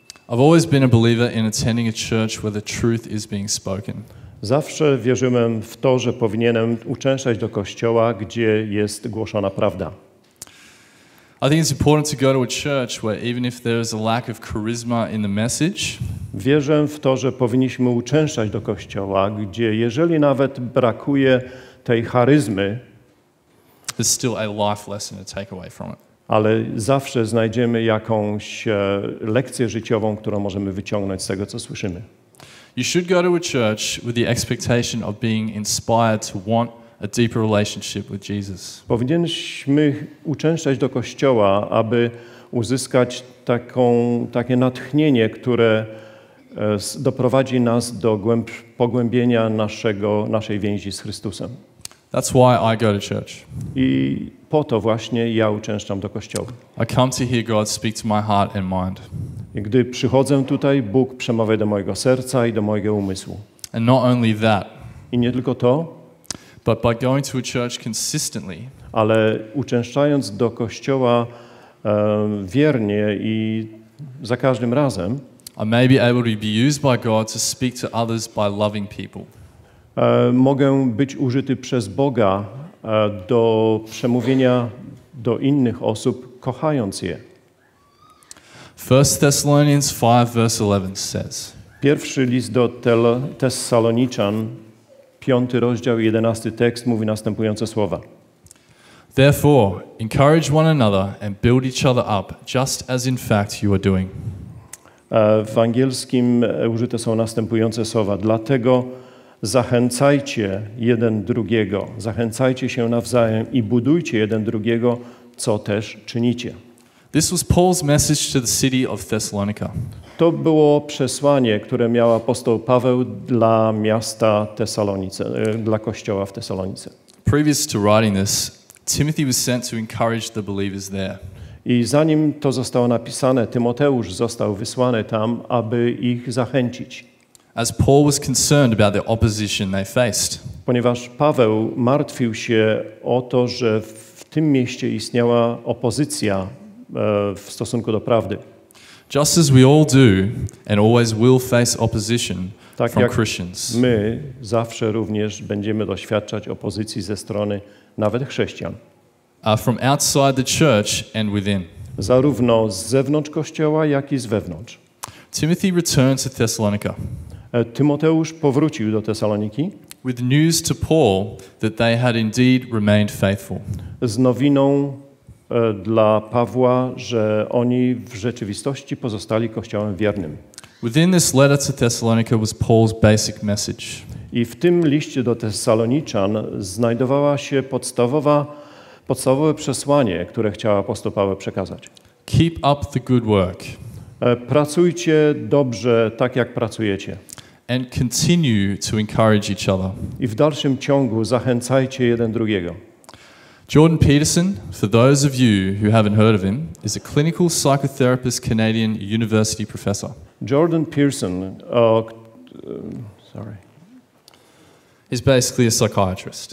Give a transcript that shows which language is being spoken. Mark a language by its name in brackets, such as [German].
[English] I've always been a believer in attending a church where the truth is being spoken. [Polish] Zawsze wierzyłem w to, że powinienem uczęszczać do kościoła, gdzie jest głoszona prawda. [English] I think it's important to go to a church where even if there is a lack of charisma in the message. [Polish] Wierzę w to, że powinniśmy uczęszczać do kościoła, gdzie jeżeli nawet brakuje tej charyzmy, [English] there's still a life lesson to take away from it. [Polish] Ale zawsze znajdziemy jakąś lekcję życiową, którą możemy wyciągnąć z tego, co słyszymy. [English] You should go to a church with the expectation of being inspired to want a deeper relationship with Jesus. [Polish] Powinniśmy uczęszczać do kościoła, aby uzyskać takie natchnienie, które doprowadzi nas do pogłębienia naszej więzi z Chrystusem. [English] That's why I go to church. [Polish] I po to właśnie ja uczęszczam do kościoła. [English] I come to hear God speak to my heart and mind. [Polish] I gdy przychodzę tutaj, Bóg przemawia do mojego serca i do mojego umysłu. [English] And not only that. [Polish] I nie tylko to. [English] But by going to a church consistently. [Polish] Ale uczęszczając do kościoła wiernie i za każdym razem. [English] I may be able to be used by God to speak to others by loving people. [Polish] Mogę być użyty przez Boga do przemówienia do innych osób, kochając je. [English] 1 Thessalonians 5, verse 11 says. [Polish] Pierwszy list do Tesaloniczan, 5 rozdział, 11 tekst, mówi następujące słowa. [English] Therefore, encourage one another and build each other up, just as in fact you are doing. [Polish] W angielskim użyte są następujące słowa. Dlatego zachęcajcie jeden drugiego, zachęcajcie się nawzajem i budujcie jeden drugiego, co też czynicie. [English] This was Paul's message to the city of Thessalonica. [Polish] To było przesłanie, które miał apostoł Paweł dla miasta Tesalonice, dla kościoła w Tesalonice. [English] Previous to writing this, Timothy was sent to encourage the believers there. [Polish] I zanim to zostało napisane, Tymoteusz został wysłany tam, aby ich zachęcić. [English] As Paul was concerned about the opposition they faced. [Polish] Ponieważ Paweł martwił się o to, że w tym mieście istniała opozycja w stosunku do prawdy. [English] Just as we all do and always will face opposition [Polish] tak [English] from Christians. [Polish] My zawsze również będziemy doświadczać opozycji ze strony nawet chrześcijan. [English] From outside the church and within. [Polish] Zarówno z zewnątrz kościoła, jak i z wewnątrz. [English] Timothy returned to Thessalonica. [Polish] Tymoteusz powrócił do Tesaloniki. [English] With news to Paul that they had indeed remained faithful. [Polish] Z nowiną dla Pawła, że oni w rzeczywistości pozostali kościołem wiernym. [English] Within this letter to Thessalonica was Paul's basic message. [Polish] I w tym liście do Tesaloniczan znajdowała się podstawowe przesłanie, które chciał apostoł Paweł przekazać. [English] Keep up the good work. [Polish] Pracujcie dobrze, tak jak pracujecie. [English] And continue to encourage each other. [Polish] I w dalszym ciągu zachęcajcie jeden drugiego. [English] Jordan Peterson, for those of you who haven't heard of him, is a clinical psychotherapist, Canadian university professor. [Polish] Jordan Peterson, [English] is basically a psychiatrist.